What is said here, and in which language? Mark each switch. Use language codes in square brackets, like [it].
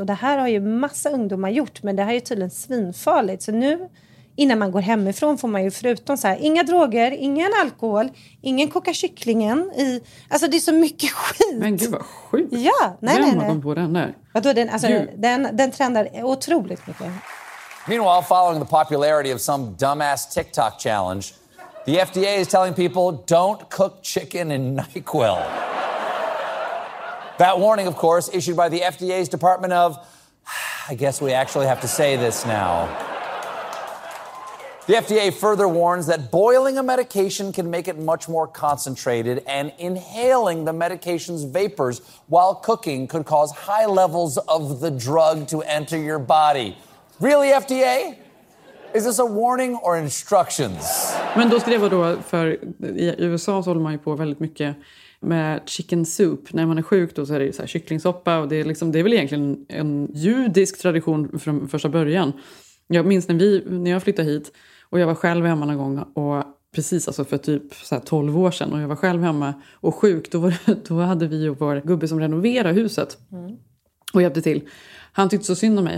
[sv] Och det här har ju massa ungdomar gjort. Men det här är ju tydligen svinfarligt. Så nu, innan man går hemifrån, får man ju förutom så här... inga droger, ingen alkohol, ingen koka kycklingen i... Alltså det är så mycket skit. Men gud vad sjukt. Ja, nej. Vem har gått på den där? Vadå, den trendar otroligt mycket. [en] Meanwhile, following the popularity of some dumbass TikTok challenge... the FDA is telling people, don't cook chicken in NyQuil. That warning, of course, issued by the FDA's Department of... I guess we actually have to say this now. The FDA further warns that boiling a medication can make it much more concentrated, and inhaling the medication's vapors while cooking could cause high levels of the drug to enter your body. Really, FDA? Is this a warning or instructions? [sv] Men då skrev jag då, för i USA så håller man ju på väldigt mycket med chicken soup. När man är sjuk då så är det ju så här kycklingsoppa och det är, liksom, det är väl egentligen en judisk tradition från första början. Jag minns när jag flyttade hit och jag var själv hemma en gång och precis alltså för typ så här 12 år sedan och jag var själv hemma och sjuk, då hade vi ju vår gubbe som renoverade huset och hjälpte till. Han tyckte så synd om mig.